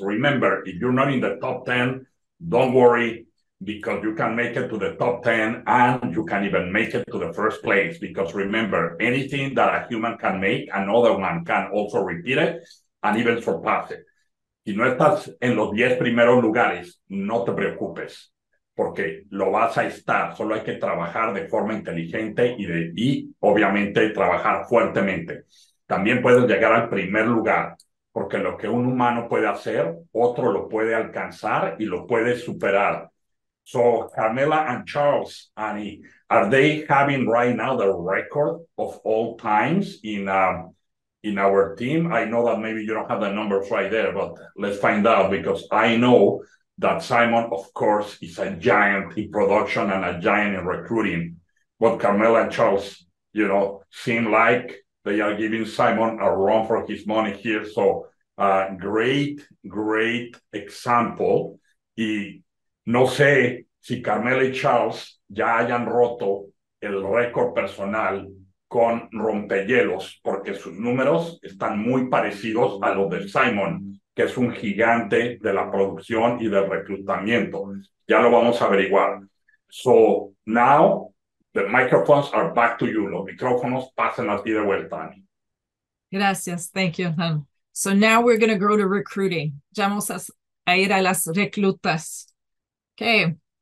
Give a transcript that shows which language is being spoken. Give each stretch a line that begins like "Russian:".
English: Remember, if you're not in the top 10, don't worry, because you can make it to the top 10 and you can even make it to the first place. Because remember, anything that a human can make, another one can also repeat it and even surpass it.
Spanish: Si no estás en los 10 primeros lugares, no te preocupes, porque lo vas a estar. Solo hay que trabajar de forma inteligente y obviamente trabajar fuertemente. También puedes llegar al primer lugar, porque lo que un humano puede hacer, otro lo puede alcanzar y lo puede superar.
English: So, Carmela and Charles, Annie, are they having right now the record of all times in our team? I know that maybe you don't have the numbers right there, but let's find out, because I know that Simon, of course, is a giant in production and a giant in recruiting. But Carmela and Charles, you know, seem like they are giving Simon a run for his money here. So great, great example.
Spanish: Y no sé si Carmela y Charles ya hayan roto el récord personal con Rompehielos, porque sus números están muy parecidos a los de Simon, que es un gigante de la producción y del reclutamiento. Ya lo vamos a averiguar.
English: So now the microphones are back to you.
Spanish: Los micrófonos pasan a ti de vuelta. Gracias.
English: Thank you, Juan. So now we're going to go to recruiting.
Spanish: Ya vamos a ir a las reclutas. Okay.